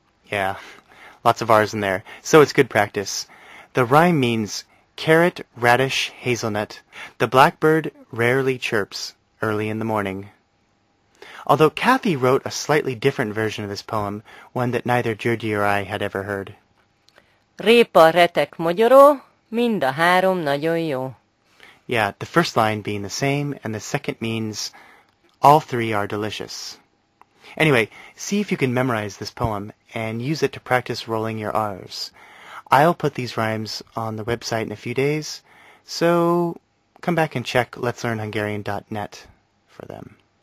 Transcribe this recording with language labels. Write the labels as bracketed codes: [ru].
[en] Yeah, lots of R's in there. So it's good practice. The rhyme means carrot, radish, hazelnut. The blackbird rarely chirps early in the morning. Although Kathy wrote a slightly different version of this poem, one that neither Györgyi or I had ever heard. [hu] Répa retek magyaró, mind a három nagyon jó. [en] Yeah, the first line being the same, and the second means all three are delicious. Anyway, see if you can memorize this poem and use it to practice rolling your R's. I'll put these rhymes on the website in a few days, so come back and check letslearnhungarian.net for them.